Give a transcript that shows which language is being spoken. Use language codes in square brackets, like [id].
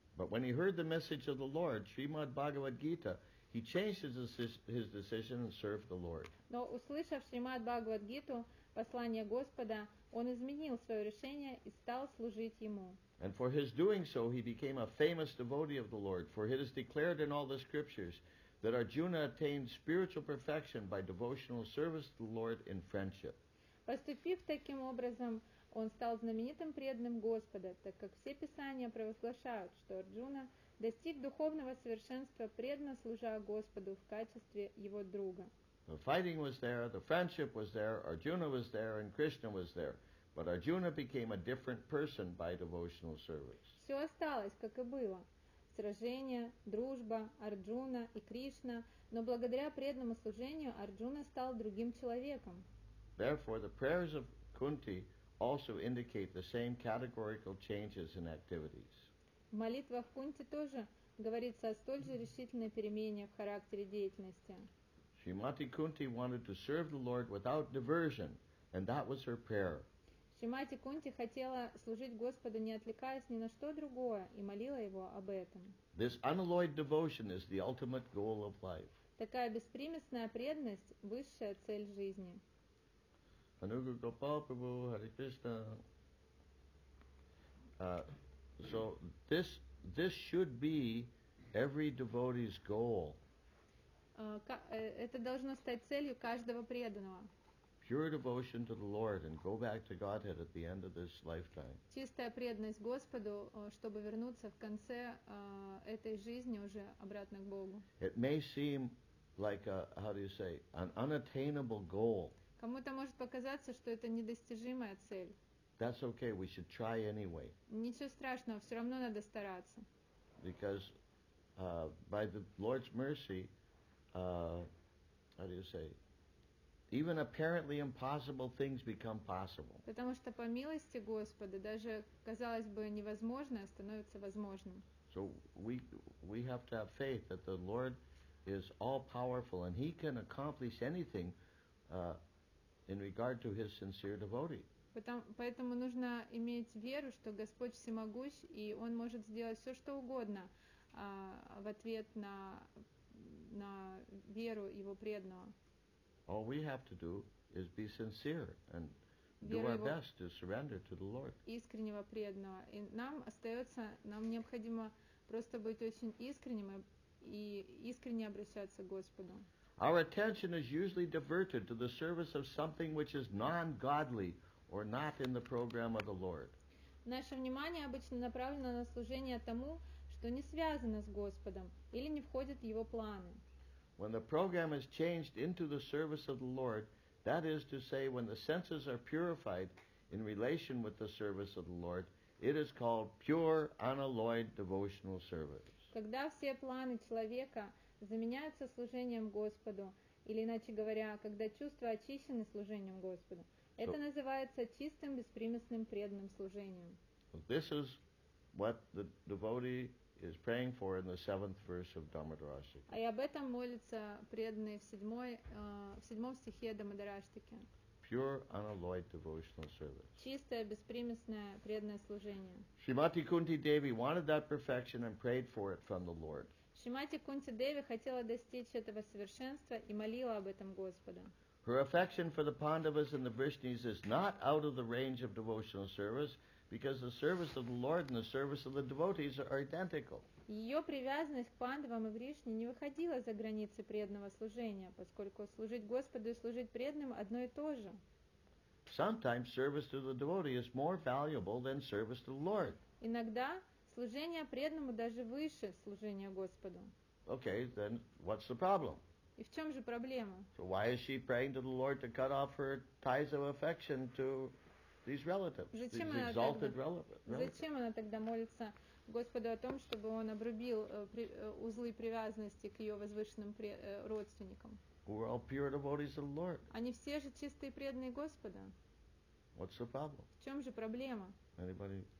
[en] But when he heard the message of the Lord, Srimad Bhagavad Gita, he changed his decision and served the Lord. [ru] Но услышав Шримад Бхагавад Гиту, послание Господа, он изменил свое решение и стал служить ему. [en] And for his doing so, he became a famous devotee of the Lord, for it is declared in all the scriptures that Arjuna attained spiritual perfection by devotional service to the Lord in friendship. [ru] Поступив таким образом, он стал знаменитым преданным Господа, так как все писания провозглашают, что Арджуна достиг духовного совершенства, преданно служа Господу в качестве его друга. [en] The fighting was there, the friendship was there, Arjuna was there, and Krishna was there. But Arjuna became a different person by devotional service. [ru] Все осталось, как и было. Сражение, дружба, Арджуна и Кришна. Но благодаря преданному служению Арджуна стал другим человеком. [en] Therefore, the prayers of Kunti also indicate the same categorical changes in activities. [ru] В молитвах Кунти тоже говорится о столь же решительной перемене в характере деятельности. [en] Shrimati Kunti wanted to serve the Lord without diversion, and that was her prayer. [ru] Shrimati Kunti хотела служить Господу, не отвлекаясь ни на что другое, и молила его об этом. [en] This unalloyed devotion is the ultimate goal of life. [ru] Такая беспримесная преданность – высшая цель жизни. [en] Anuga Gopal Prabhu, Hare Krishna. So this should be every devotee's goal. [ru] Это должно стать целью каждого преданного. [en] Pure devotion to the Lord and go back to Godhead at the end of this lifetime. [ru] Чистая преданность Господу, чтобы вернуться в конце этой жизни уже обратно к Богу. [en] It may seem like a, how do you say, an unattainable goal. [ru] Кому-то может показаться, что это недостижимая цель. [en] That's okay, we should try anyway. [ru] Ничего страшного, все равно надо стараться. [en] Because by the Lord's mercy, how do you say, even apparently impossible things become possible. [ru] Потому что по милости Господа даже, казалось бы, невозможное становится возможным. [en] So we have to have faith that the Lord is all-powerful and he can accomplish anything in regard to his sincere devotee. [ru] Поэтому нужно иметь веру, что Господь всемогущ, и Он может сделать все, что угодно в ответ на веру Его преданного. [en] All we have to do is be sincere and do our best to surrender to the Lord. [ru] Искреннего преданного. И нам остается, нам необходимо просто быть очень искренним и искренне обращаться к Господу. [en] Our attention is usually diverted to the service of something which is non-godly or not in the program of the Lord. [ru] Наше внимание обычно направлено на служение тому, что не связано с Господом или не входит в Его планы. [en] When the program is changed into the service of the Lord, that is to say, when the senses are purified in relation with the service of the Lord, it is called pure, unalloyed devotional service. [ru] Когда все планы человека заменяются служением Господу, или иначе говоря, когда чувства очищены служением Господу, это называется чистым, беспримесным, преданным служением. [en] This is what the devotee is praying for in the seventh verse of Dhammadarashika. [ru] И об этом молится преданный в седьмом стихе Дхаммадараштики. [en] Pure, unalloyed devotional service. [ru] Чистое, беспримесное, преданное служение. [en] Shrimati Kunti Devi wanted that perfection and prayed for it from the Lord. [ru] Shrimati Kunti Devi хотела достичь этого совершенства и молила об этом Господа. [en] Her affection for the Pandavas and the Vrishnis is not out of the range of devotional service because the service of the Lord and the service of the devotees are identical. [ru] Ее привязанность к Пандавам и Вришне не выходила за границы преданного служения, поскольку служить Господу и служить преданным одно и то же. [en] Sometimes service to the devotee is more valuable than service to the Lord. [ru] Иногда служение преданному даже выше служения Господу. [en] Okay, then what's the problem? [ru] И в чем же проблема? [en] So why is she praying to the Lord to cut off her ties of affection to these relatives, [ru] зачем [en] these exalted relatives? [ru] Зачем она тогда молится Господу о том, чтобы он обрубил узлы привязанности к ее возвышенным родственникам? [en] We're all pure devotees of the Lord. [ru] Они все же чистые преданные Господа. [en] What's the problem? [ru] В чем же проблема? [en] Anybody?